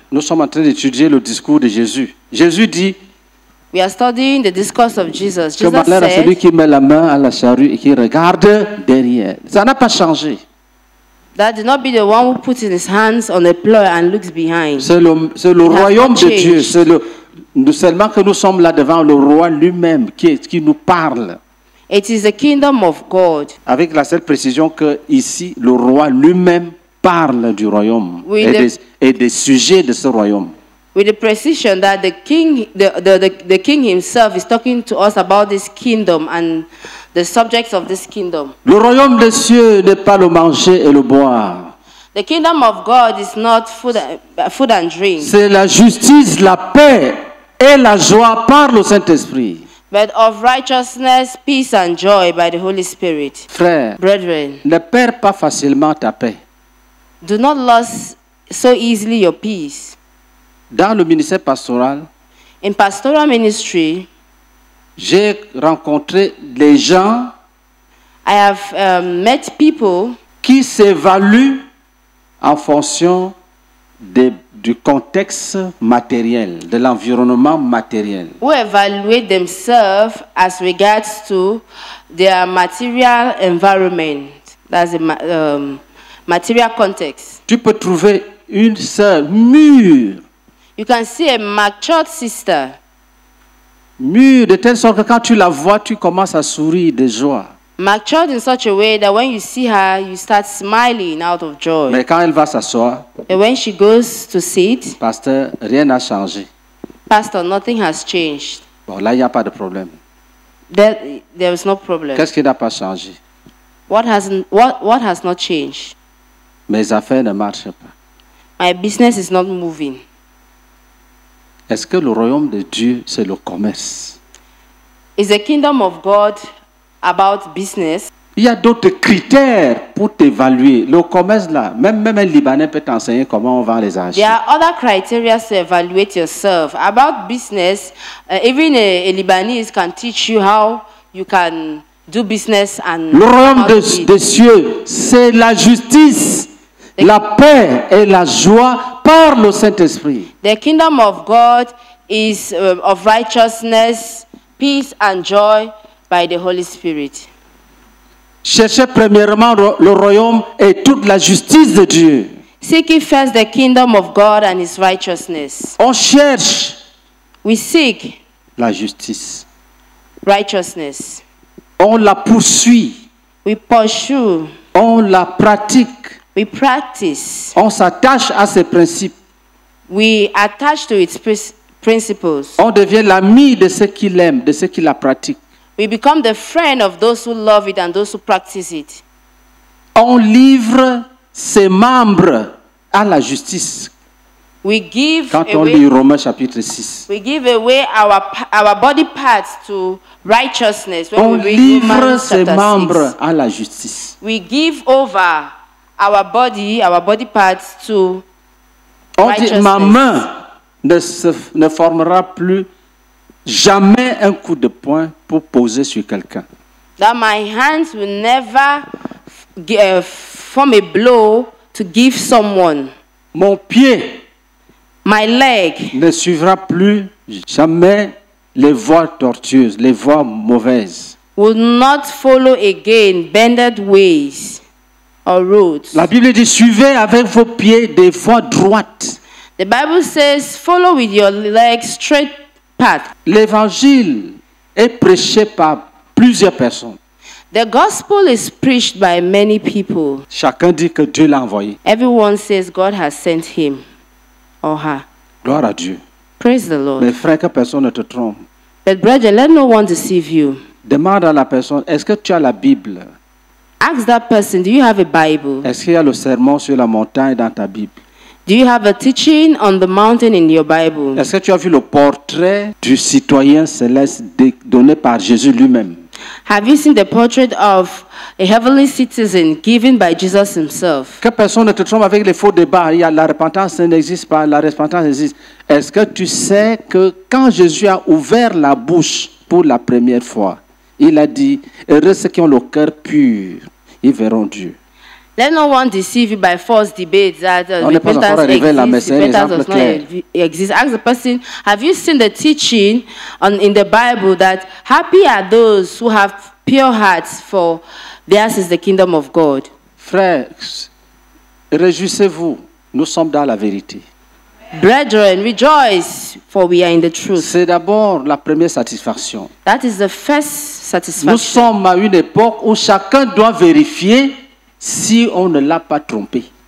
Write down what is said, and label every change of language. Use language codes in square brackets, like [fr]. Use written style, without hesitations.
[fr] Nous sommes en train d'étudier le discours de Jésus. Jésus dit, [en] we are studying the discourse of Jesus. [fr] Que malheur à celui qui met la main à la charrue et qui regarde derrière. Ça n'a pas changé. [en] That did not be the one who puts his hands on a plow and looks behind. [fr] C'est le royaume de Dieu. Seulement que nous sommes là devant le roi lui-même qui nous parle. [en] It is the kingdom of God. [fr] Avec la seule précision que ici le roi lui-même parle du royaume et des sujets de ce royaume. [en] With the precision that the king himself is talking to us about this kingdom and the subjects of this kingdom. [fr] Le royaume des cieux n'est pas le manger et le boire. [en] The kingdom of God is not food and drink. [fr] C'est la justice, la paix et la joie par le Saint-Esprit. [en] But of righteousness, peace and joy by the Holy Spirit. [fr] Frère, [en] brethren, [fr] ne perds pas facilement ta paix. [en] Do not lose so easily your peace. [fr] Dans le ministère pastoral, [en] in pastoral ministry, [fr] j'ai rencontré des gens [en] I have met people [fr] qui s'évaluent en fonction du contexte matériel, de l'environnement matériel. [en] Who evaluate themselves as regards to their material environment, that's the material context. [fr] Tu peux trouver une sœur mûre. [en] You can see a mature sister. [fr] Mûre de telle sorte que quand tu la vois, tu commences à sourire de joie. [en] Mature in such a way that when you see her, you start smiling out of joy. [fr] Mais quand elle va s'asseoir, [en] and when she goes to sit, [fr] pasteur, rien n'a changé. [en] Pastor, nothing has changed. [fr] Bon, là, il n'y a pas de problème. [en] There is no problem. [fr] Qu'est-ce qui n'a pas changé? [en] What has not changed? [fr] Mes affaires ne marchent pas. [en] My business is not moving. [fr] Est-ce que le royaume de Dieu, c'est le commerce? [en] Is the kingdom of God about business? [fr] Il y a d'autres critères pour t'évaluer. Le commerce là, même un Libanais peut t'enseigner comment on vend les achats. [en] There are other criteria to evaluate yourself. About business, even a Libanese can teach you how you can do business and... [fr] Le royaume des cieux, c'est la justice, la paix et la joie par le Saint-Esprit. [en] The kingdom of God is of righteousness, peace and joy by the Holy Spirit. [fr] Cherchez premièrement le royaume et toute la justice de Dieu. [en] Seek first the kingdom of God and his righteousness. [fr] On cherche. [en] We seek [fr] la justice. [en] Righteousness. [fr] On la poursuit. [en] We pursue. [fr] On la pratique. [en] We practice. [fr] On s'attache à ses principes. [en] We attach to its principles. [fr] On devient l'ami de ceux qui l'aiment, de ceux qui la pratiquent. [en] We become the friend of those who love it and those who practice it. [fr] On livre ses membres à la justice. [en] We give [fr] quand on lit Romains chapitre 6. [en] We give away our body parts to righteousness. When [fr] on livre ses membres à la justice. [en] We give over our body parts to [fr] on dit, ma main ne formera plus jamais un coup de poing pour poser sur quelqu'un. [en] That my hands will never form a blow to give someone. [fr] Mon pied, [en] my leg, [fr] ne suivra plus jamais les voies tortueuses, les voies mauvaises. [en] Will not follow again bended ways. [fr] La Bible dit, suivez avec vos pieds des voies droites. [en] The Bible says, follow with your legs straight path. [fr] L'évangile est prêché par plusieurs personnes. [en] The gospel is preached by many people. [fr] Chacun dit que Dieu l'a envoyé. [en] Everyone says God has sent him or her. [fr] Gloire à Dieu. [en] Praise the Lord. [fr] Mais frère, que personne ne te trompe. [en] But brethren, let no one deceive you. [fr] Demande à la personne, est-ce que tu as la Bible? [en] Ask that person, do you have a Bible? [fr] Est-ce qu'il y a le sermon sur la montagne dans ta Bible? [en] Do you have a teaching on the mountain in your Bible? [fr] Est-ce que tu as vu le portrait du citoyen céleste donné par Jésus lui-même? [en] Have you seen the portrait of a heavenly citizen given by Jesus himself? [fr] Que personne ne te trompe avec les faux débats. Il y a la repentance n'existe pas, la repentance existe. Est-ce que tu sais que quand Jésus a ouvert la bouche pour la première fois, il a dit, heureux ceux qui ont le cœur pur, ils verront Dieu. [en] Let no one deceive you by false debates that repentance does not exist. Ask the person, have you seen the teaching in the Bible that happy are those who have pure hearts, for theirs is the kingdom of God? [fr] Frères, réjouissez-vous, nous sommes dans la vérité. [en] Brethren, rejoice, for we are in the truth. [fr] C'est d'abord la première satisfaction. [en] That is the first satisfaction. [fr] Nous sommes à une époque où chacun doit vérifier si on ne l'a pas trompé.